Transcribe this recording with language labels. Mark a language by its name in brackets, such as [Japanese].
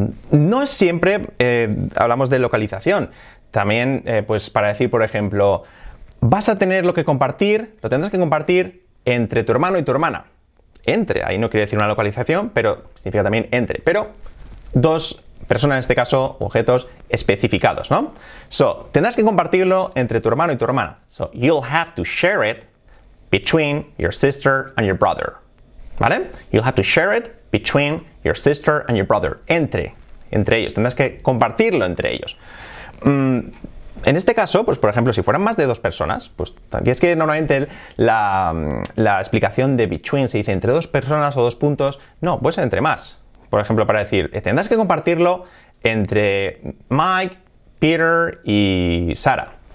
[Spanish] No es siempre, hablamos de localización, también pues para decir, por ejemplo, vas a tener lo que compartir, lo tendrás que compartir entre tu hermano y tu hermana. Entre, ahí no quiere decir una localización, pero significa también entre. Pero dos personas, en este caso, objetos especificados, ¿no? So, tendrás que compartirlo entre tu hermano y tu hermana. [English] So, you'll have to share it between your sister and your brother. [Spanish] ¿Vale? [English] You'll have to share it between your sister and your brother. [Spanish] Entre ellos. Tendrás que compartirlo entre ellos. En este caso, pues por ejemplo, si fueran más de dos personas, pues aquí es que normalmente la explicación de between se dice entre dos personas o dos puntos. No, pues entre más. Por ejemplo, para decir, tendrás que compartirlo entre Mike, Peter y Sarah.